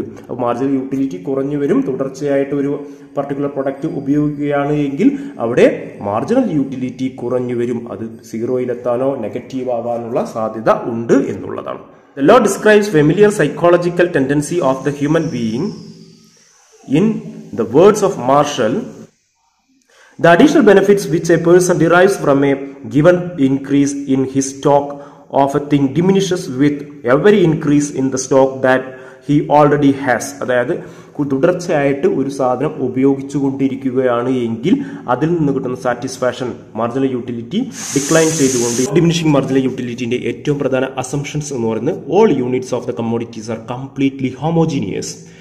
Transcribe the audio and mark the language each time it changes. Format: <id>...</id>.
<ml>അപ്പോൾ marginal utility കുറഞ്ഞു വരും. തുടർച്ചയായിട്ട് ഒരു പർട്ടിക്കുലർ പ്രൊഡക്റ്റ് ഉപയോഗിക്കുകയാണ് എങ്കിൽ അവിടെ മാർജിനൽ യൂട്ടിലിറ്റി കുറഞ്ഞു വരും. അത് സീറോയിലെത്താനോ നെഗറ്റീവ് ആകാനുള്ള സാധ്യത ഉണ്ട് എന്നുള്ളതാണ്.</ml> <en>The law describes familiar psychological tendency of the human being in the words of Marshall. The additional benefits which a person derives from a given increase in his stock of a thing diminishes with every increase in the stock that he already has.</en> <ml>അതായത് തുടർച്ചയായിട്ട് ഒരു സാധനം ഉപയോഗിച്ചു കൊണ്ടിരിക്കുകയാണ് എങ്കിൽ അതിൽ നിന്ന് കിട്ടുന്ന സാറ്റിസ്ഫാക്ഷൻ, മാർജിനൽ യൂട്ടിലിറ്റി ഡിക്ലൈൻ ചെയ്തുകൊണ്ട്. ഡിമിനിഷിംഗ് മാർജിനൽ യൂട്ടിലിറ്റിന്റെ ഏറ്റവും പ്രധാന അസംപ്ഷൻസ് എന്ന് പറയുന്നത്,</ml> <en>All units of the commodities are completely homogeneous.</en>